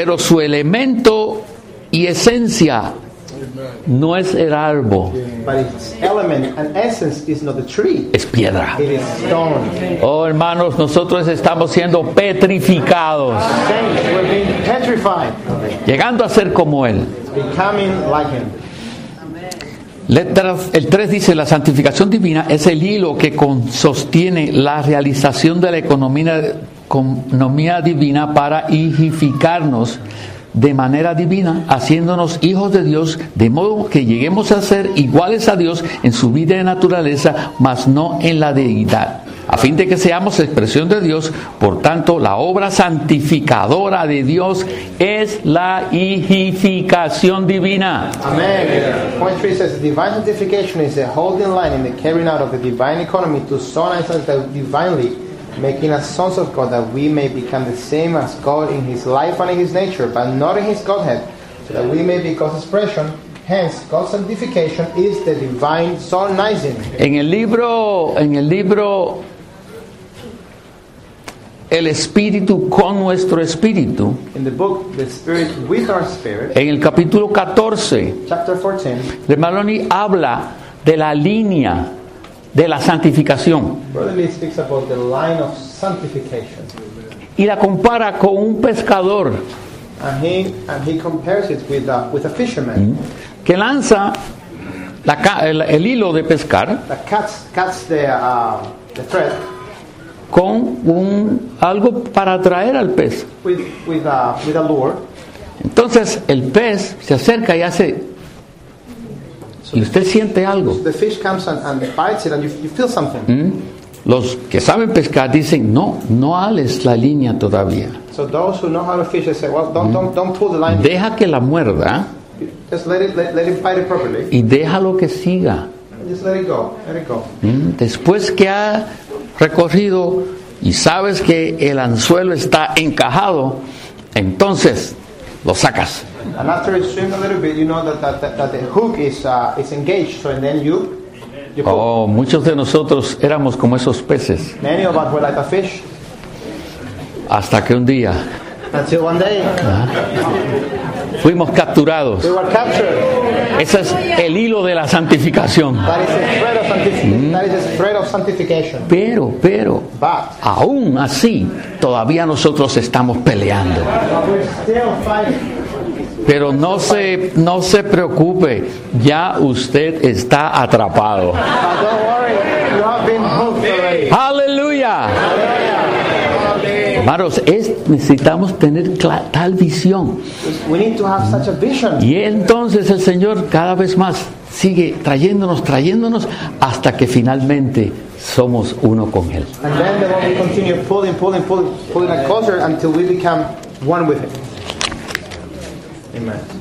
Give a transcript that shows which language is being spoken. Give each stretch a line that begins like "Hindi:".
Spanish: Pero su elemento y esencia no es el árbol.
English: But its element and essence is not the tree.
Spanish: Es piedra.
English: It is stone.
Spanish: Oh, hermanos, nosotros estamos siendo petrificados.
English: We're being petrified.
Spanish: Llegando a ser como Él.
English: Becoming like Him.
Spanish: El 3 dice, la santificación divina es el hilo que sostiene la realización de la economía divina para hijificarnos de manera divina, haciéndonos hijos de Dios, de modo que lleguemos a ser iguales a Dios en su vida de naturaleza, mas no en la deidad, a fin de que seamos expresión de Dios. Por tanto, la obra santificadora de Dios es la hijificación divina. Amen.
English: Point 3 says, divine sanctification is the holding line in the carrying out of the divine economy to sanctify us divinely, making us sons of God, that we may become the same as God in His life and in His nature, but not in His Godhead, so that we may be God's expression. Hence, God's sanctification is the divine sonizing.
Spanish: En el libro, El Espíritu con nuestro Espíritu.
English: In the book, The Spirit with Our Spirit.
Spanish: En el capítulo 14.
English: Chapter 14.
Spanish: De Maloney habla de la línea de la santificación.
English: Brother Lee speaks about the line of sanctification.
Spanish: Y la compara con un pescador.
English: And he compares it with a fisherman.
Spanish: Que lanza el hilo de pescar.
English: That cuts the thread.
Spanish: Con algo para atraer al pez.
English: With a lure.
Spanish: Entonces el pez se acerca y hace. Y usted siente algo.
English: The fish comes and bites it and you feel something.
Spanish: Los que saben pescar dicen, no hales la línea todavía.
English: So those who know how to fish, they say, well, don't pull the line.
Spanish: Deja que la muerda.
English: Just let it bite it properly.
Spanish: Y déjalo que siga.
English: Just let it go.
Spanish: Después que ha recorrido y sabes que el anzuelo está encajado, entonces lo sacas.
English: And after it swims a little bit, you know that the hook is engaged. So and then you
Spanish: hook. Oh, muchos de nosotros éramos como esos peces.
English: Many of us were like a fish.
Spanish: Hasta que un día.
English: Until one day.
Spanish: Fuimos capturados.
English: We were captured.
Spanish: Ese es el hilo de la santificación.
English: That is a thread of sanctification. That is a thread of sanctification.
Spanish: Pero.
English: But.
Spanish: Aún así, todavía nosotros estamos peleando.
English: But we're still fighting.
Spanish: Pero no se preocupe, ya usted está atrapado.
English: But don't worry, you have been hooked already.
Spanish: Aleluya. Hermanos, necesitamos tener tal visión.
English: We need to have such a vision.
Spanish: Y entonces el Señor cada vez más sigue trayéndonos, hasta que finalmente somos uno con Él.
English: And then the Lord will continue pulling closer until we become one with Him. Amen.